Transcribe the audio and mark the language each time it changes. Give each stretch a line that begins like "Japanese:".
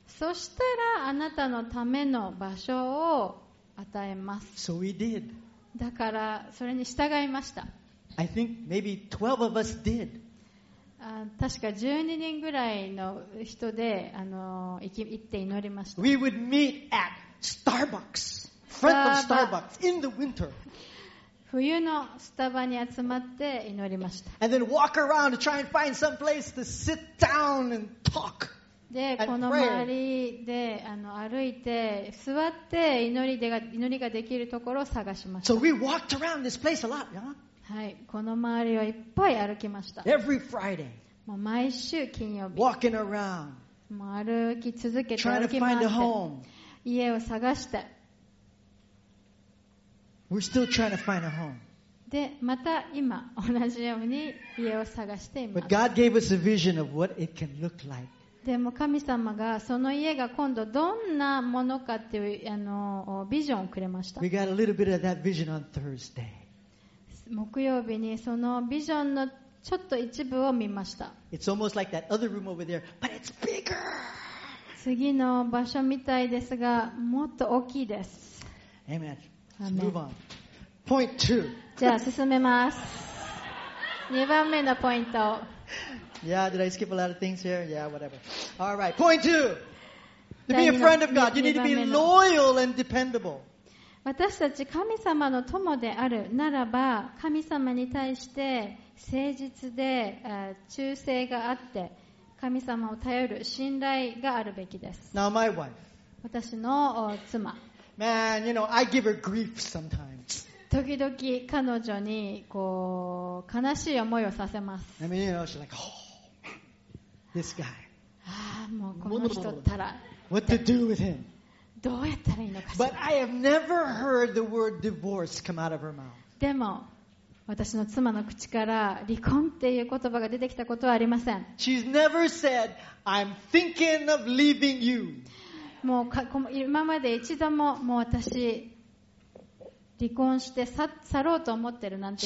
Japanese: そしたらあなたのための場所を与えます。
English: So we did.
Japanese: だからそれに従いました。
English: I think maybe 12 of us did.
Japanese: 確か12人ぐらいの人で行って祈りました。
English: We would meet at Starbucks, front of Starbucks in the winter.
Japanese: 冬のスタバに集まって祈りました。
English: And then walk around to try and find some place to sit down and talk.
Japanese: で、この周りで歩いて座って祈りができるところを探しました。
English: So we walked around this place a lot, yeah?
Japanese: はい、この周りをいっぱい歩きました。
English: Every Friday.
Japanese: 毎週金曜日。
English: Walking around.
Japanese: 歩き続けて
English: trying to find a home.
Japanese: 家を探して。
English: We're still trying to find a home.
Japanese: で、また今、同じように家を探しています。
English: But God gave us a vision of what it can look like.
Japanese: でも神様がその家が今度どんなものかっていうビジョンをくれました。
English: We got a little bit of that vision on Thursday.
Japanese: 木曜日にそのビジョンのちょっと一部を見ました。
English: It's almost like that other room over there, but it's bigger!
Japanese: 次の場所みたいですが、もっと大きいです。
English: Amen. Let's move on. Point two.
Japanese: じゃあ進めます。2番目のポイント。
English: Yeah, did I skip a lot of things here? Yeah, whatever. All right. Point two. To be a friend of God, you need to be loyal and dependable.
Japanese: 私たち神様の友であるならば、神様に対して誠実で忠誠があって。神様を頼る信頼があるべきです。
English: Now my wife.
Japanese: 私の妻。
English: Man, you know, I give her grief sometimes.
Japanese: 時々彼女にこう悲しい思いをさせます。
English: I mean, you know, she's like, oh, this guy.
Japanese: もうこの人ったら。
English: What to do with him?
Japanese: どうやったらいいのか。
English: But I have never heard the word divorce come out of her mouth.
Japanese: でも。私の妻の口から離婚っていう言葉が出てきたことはありません。
English: She's never said, I'm thinking of leaving you.
Japanese: もう今まで一度ももう私離婚して去ろうと思ってるなんて。